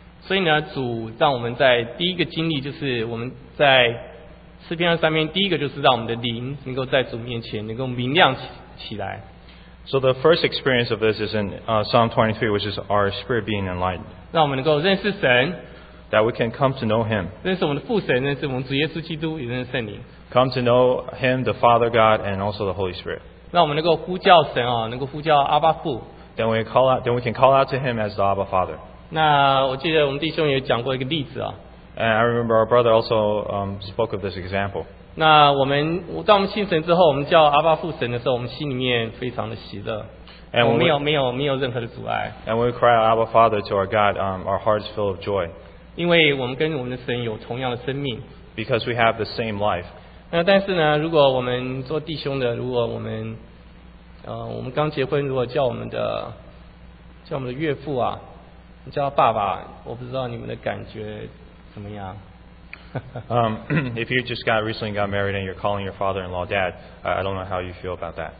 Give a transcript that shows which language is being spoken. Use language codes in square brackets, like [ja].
[zh] 所以呢，主让我们在第一个经历就是我们在诗篇23篇第一个就是让我们的灵能够在主面前能够明亮起来。 [en] So the first experience of this is in Psalm 23, which is our spirit being enlightened. [zh] 让我们能够认识神。 [en] That we can come to know Him. [zh] 认识我们的父神，认识我们主耶稣基督，也认识圣灵。 [en] Come to know Him, the Father God, and also the Holy Spirit. [zh] 让我们能够呼叫神啊，能够呼叫阿爸父。 [en] Then we can call out to Him as the Abba Father. [zh] 那我记得我们弟兄也讲过一个例子啊。 [en] And I remember our brother also spoke of this example. [zh] 那我们当我们信神之后，我们叫阿爸父神的时候，我们心里面非常的喜乐。 [en] And we [zh] 没有任何的阻碍。 [en] And when we cry out Abba Father to our God, our hearts fill of joy. [zh] 因为我们跟我们的神有同样的生命。 [en] Because we have the same life. [zh] 那但是呢，如果我们做弟兄的，如果我们刚结婚，如果叫我们的岳父啊，叫爸爸，我不知道你们的感觉怎么样。 [en] if you just recently got married and you're calling your father-in-law dad, I don't know how you feel about that.